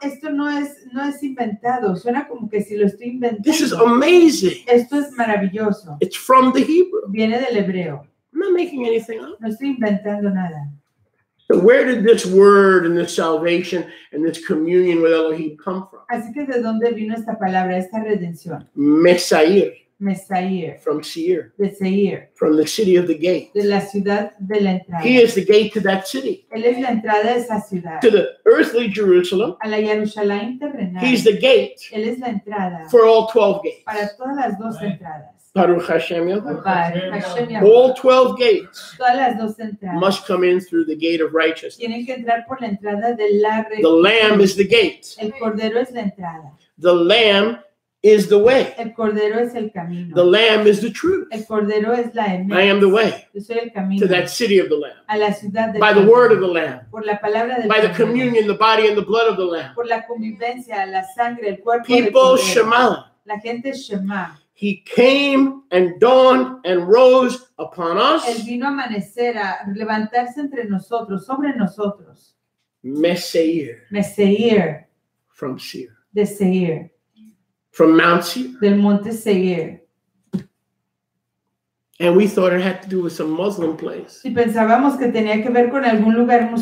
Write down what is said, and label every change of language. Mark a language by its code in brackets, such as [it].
[es] Esto no es inventado. Suena como que si lo estoy inventando. [en] This is amazing. [es] Esto es maravilloso. [en] It's from the Hebrew. [es] Viene del Hebreo. [en] I'm not making anything up. [es] No estoy inventando nada. [en] So where did this word and this salvation and this communion with Elohim come from? [es] Así que de dónde vino esta palabra, esta redención? [he] Mesair. Mesair. [en] From Seir. [es] De Seir. [en] From the city of the gate. [es] De la ciudad de la entrada. [en] He is the gate to that city. [es] Él es la entrada de esa ciudad. [en] To the earthly Jerusalem. [es] A la Jerusalén terrenal. [en] He's the gate. [es] Él es la entrada. [en] For all 12 gates. [es] Para todas las 12 right. entradas. [he] Baruch Hashem, yeah. Baruch Hashem, [en] yeah. All 12 gates [es] todas las dos entradas [en] must come in through the gate of righteousness. [es] Tienen que entrar por la entrada de la [en] the Lamb is the gate. [es] El cordero es la entrada. [en] The Lamb is the way. [es] El cordero es el camino. [en] The Lamb is the truth. [es] El cordero es la [en] I am the way [es] yo soy el camino [en] to that city of the Lamb. [es] A la ciudad del [en] by the word of the Lamb. [es] Por la palabra del [en] by camino. The communion, the body and the blood of the Lamb. [es] Por la convivencia, la sangre, el cuerpo [en] people [es] del cordero. [he] Shema. [es] La gente Shema. [en] He came and dawned and rose upon us. [es] Él vino a amanecer, a levantarse entre nosotros, sobre nosotros. [he] Meseir. Meseir. [en] From Seir. [es] De Seir. [en] From Mount Seir. [es] Del Monte Seir. [en] And we thought it had to do with some Muslim place. [es] Y pensábamos que tenía que ver con algún lugar musulmán.